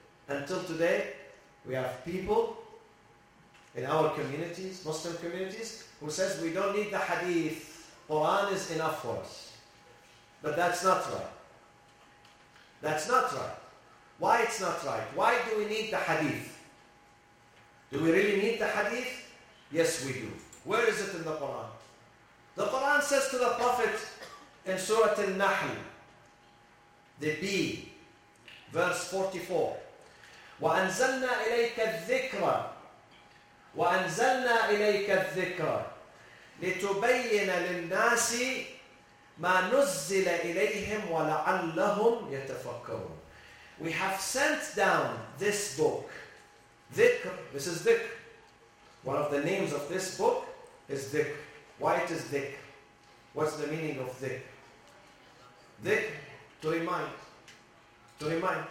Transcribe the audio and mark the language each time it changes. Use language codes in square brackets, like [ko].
[en] Until today, we have people in our communities, Muslim communities, who says we don't need the hadith, Quran is enough for us. But that's not right. That's not right. Why it's not right? Why do we need the hadith? Do we really need the hadith? Yes, we do. Where is it in the Quran? The Quran says to the Prophet in Surah Al-Nahl, the B, verse 44, [ar] وَأَنزَلْنَا إِلَيْكَ الذِّكْرَ وَأَنزَلْنَا إِلَيْكَ الذِّكْرَ لِتُبَيِّنَ لِلنَّاسِ مَا نُزِّلَ إِلَيْهِمْ وَلَعَلَّهُمْ يَتَفَكَّرُونَ. [en] We have sent down this book. Dhikr, this is dhikr. One of the names of this book is dhikr. Why it is dhikr? What's the meaning of dhikr? Dhikr, to remind. To remind.